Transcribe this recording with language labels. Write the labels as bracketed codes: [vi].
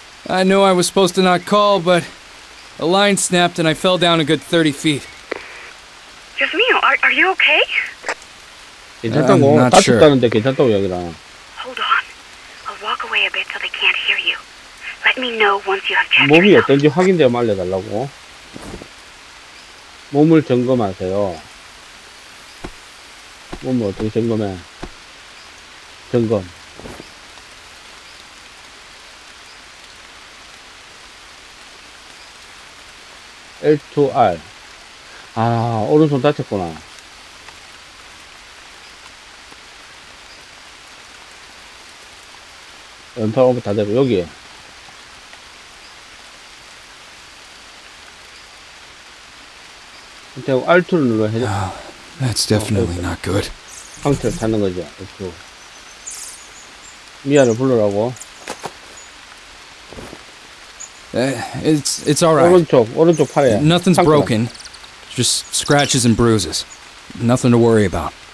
[en] I knew I was supposed to not call, but a line snapped and I fell down a good 30 feet. [es] Dios mío, [en] are you okay? I'm not sure. Hold on. I'll walk away a bit so they can't hear you. Let me know once you have checked. [ko] 몸이 어떤지 확인되어 알려달라고. 몸을 점검하세요. 몸을 어떻게 점검해? 점검. 엘투알. 아, 오른손 다쳤구나. 왼팔 오면 다 되고 여기에 대고 R2를 눌러 해줘. [en] That's definitely not good. [ko] 상태를 찾는 거죠. R2. 미아를 부르라고. [en] It's all right. [ko] 오른쪽 팔에. [en] Nothing's broken. Just scratches and bruises. Nothing to worry about.